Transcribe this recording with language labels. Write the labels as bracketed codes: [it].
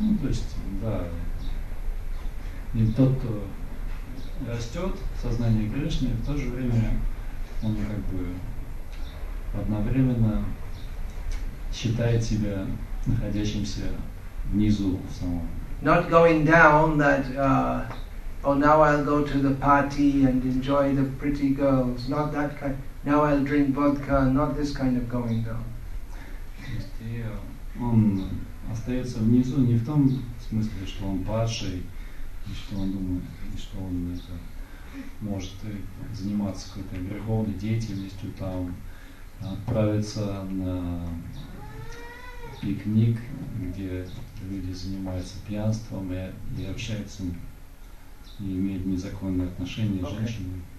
[ru] Ну, то есть, да. И тот, кто растет в сознании Кришны, в то же время он как бы одновременно считает себя находящимся внизу самого. [en] Not going down that now I'll go to the party and enjoy the pretty girls. Not that kind. Now I'll drink vodka. Not this kind of going down. [ru] Он остается внизу не в том смысле, что он падший, и что он думает, и что он это может заниматься какой-то верховной деятельностью, там отправиться на пикник, где люди занимаются пьянством и общаются, и имеют незаконные отношения с женщинами.